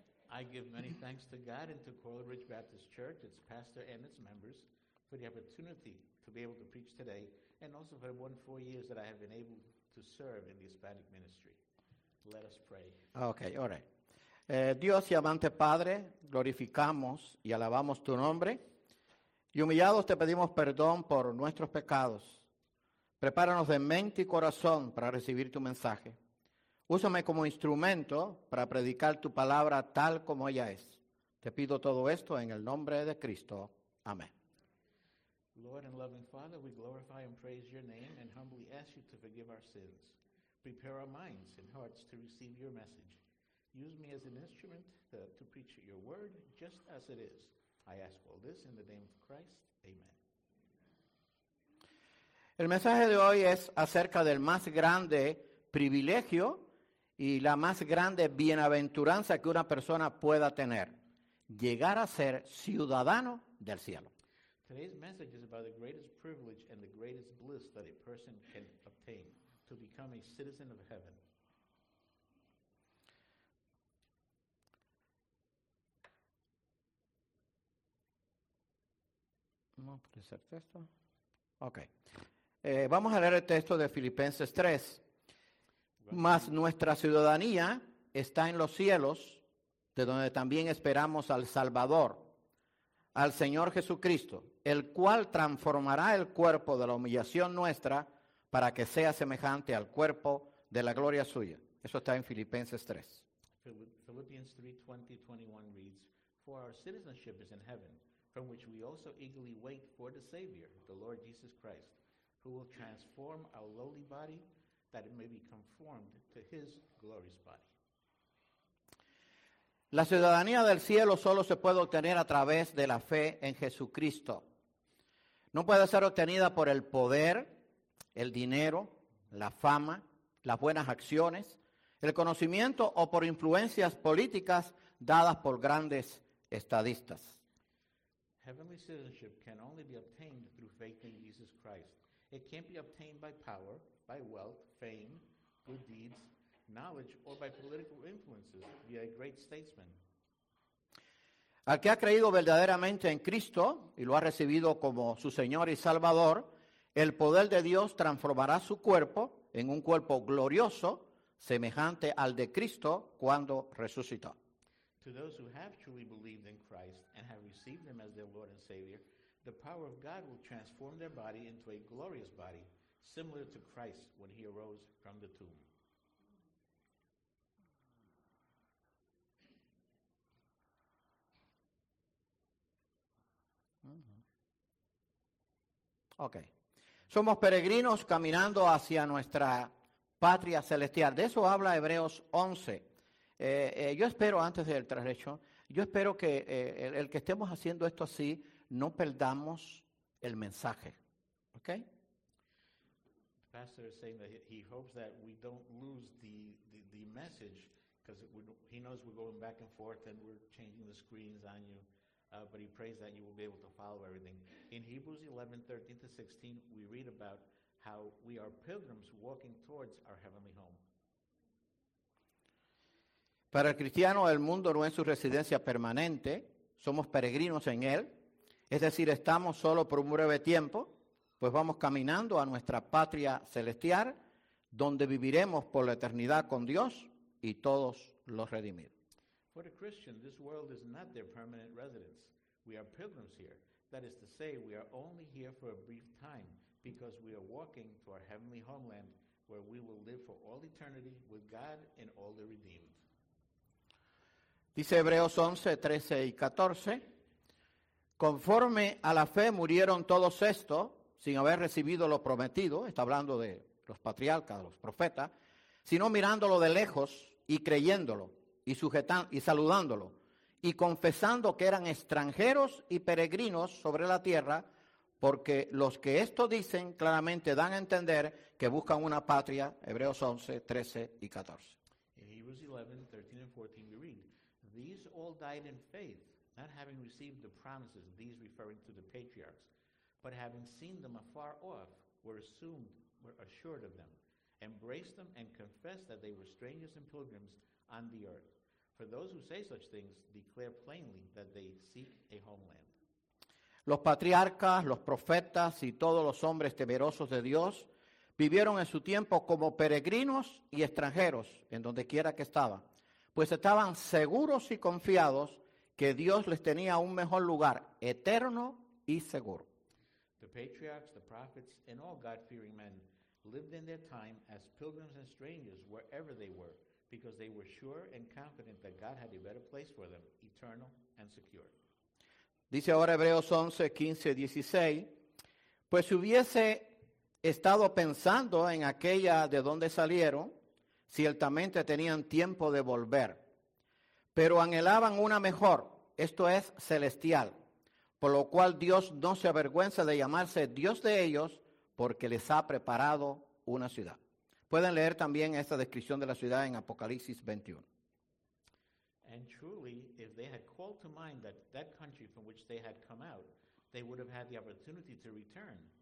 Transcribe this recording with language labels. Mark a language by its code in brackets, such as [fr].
[en] I give many thanks to God and to Coral Ridge Baptist Church, its pastor and its members, for the opportunity to be able to preach today, and also for the 4 years that I have been able to serve in the Hispanic ministry. Let us pray. Okay, all right. [es] Dios y amante Padre, glorificamos y alabamos tu nombre, y humillados te pedimos perdón por nuestros pecados. Prepáranos de mente y corazón para recibir tu mensaje. Úsame como instrumento para predicar tu palabra tal como ella es. Te pido todo esto en el nombre de Cristo. Amén. [en] Lord and loving Father, we glorify and praise your name and humbly ask you to forgive our sins. Prepare our minds and hearts to receive your message. Use me as an instrument to preach your word just as it is. I ask all this in the name of Christ. Amen. [es] El mensaje de hoy es acerca del más grande privilegio y la más grande bienaventuranza que una persona pueda tener, llegar a ser ciudadano del cielo. [en] Today's message is about the greatest privilege and the greatest bliss that a person can obtain, to become a citizen of heaven. [es] ¿Cómo puede ser texto? Ok. Vamos a leer el texto de Filipenses 3. Mas nuestra ciudadanía está en los cielos, de donde también esperamos al Salvador, al Señor Jesucristo, el cual transformará el cuerpo de la humillación nuestra para que sea semejante al cuerpo de la gloria suya. Eso está en Filipenses 3. [en] Philippians 3:20-21 reads, For our citizenship is in heaven, from which we also eagerly wait for the Savior, the Lord Jesus Christ, who will transform our lowly body that it may be conformed to his glorious body. [es] La ciudadanía del cielo solo se puede obtener a través de la fe en Jesucristo. No puede ser obtenida por el poder, el dinero, la fama, las buenas acciones, el conocimiento o por influencias políticas dadas por grandes estadistas. [en] Heavenly citizenship can only be obtained through faith in Jesus Christ. It can't be obtained by power, by wealth, fame, good deeds, knowledge, or by political influences, be a great statesman. [es] Al que ha creído verdaderamente en Cristo y lo ha recibido como su Señor y Salvador, el poder de Dios transformará su cuerpo en un cuerpo glorioso, semejante al de Cristo cuando resucitó. [en] To those who have truly believed in Christ and have received him as their Lord and Savior, the power of God will transform their body into a glorious body, similar to Christ when he arose from the tomb. Mm-hmm. Okay. [es] Somos peregrinos caminando hacia nuestra patria celestial. De eso habla Hebreos 11. Yo espero, antes del transición, yo espero que el que estemos haciendo esto así, no perdamos el mensaje. Okay? [en] Pastor is saying that he hopes that we don't lose the message, because he knows we're going back and forth and we're changing the screens on you, but he prays that you will be able to follow everything. In Hebrews 11:13-16, we read about how we are pilgrims walking towards our heavenly home. [es] Para el cristiano, el mundo no es su residencia permanente. Somos peregrinos en él. Es decir, estamos solo por un breve tiempo, pues vamos caminando a nuestra patria celestial, donde viviremos por la eternidad con Dios y todos los redimidos. [en] For a Christian, this world is not their permanent residence. We are pilgrims here. That is to say, we are only here for a brief time, because we are walking to our heavenly homeland, where we will live for all eternity with God and all the redeemed. [es] Dice Hebreos 11:13-14, conforme a la fe murieron todos estos, sin haber recibido lo prometido, está hablando de los patriarcas, los profetas, sino mirándolo de lejos y creyéndolo y saludándolo y confesando que eran extranjeros y peregrinos sobre la tierra, porque los que esto dicen claramente dan a entender que buscan una patria, Hebreos 11:13-14. [en] In Hebrews 11:13-14 we read, these all died in faith, not having received the promises, these referring to the patriarchs, but having seen them afar off, were assured of them, embraced them, and confessed that they were strangers and pilgrims on the earth. For those who say such things declare plainly that they seek a homeland. [es] Los patriarcas, los profetas y todos los hombres temerosos de Dios vivieron en su tiempo como peregrinos y extranjeros en donde quiera que estaban, pues estaban seguros y confiados que Dios les tenía un mejor lugar, eterno y seguro. [en] The patriarchs, the prophets, and all God-fearing men lived in their time as pilgrims and strangers wherever they were, because they were sure and confident that God had a better place for them, eternal and secure. [es] Dice ahora Hebreos 11:15-16, pues si hubiese estado pensando en aquella de donde salieron, ciertamente tenían tiempo de volver, pero anhelaban una mejor, esto es, celestial, por lo cual Dios no se avergüenza de llamarse Dios de ellos, porque les ha preparado una ciudad. Pueden leer también esta descripción de la ciudad en Apocalipsis 21. [en] And truly, if they had called to mind that country from which they had come out, they would have had the opportunity to return.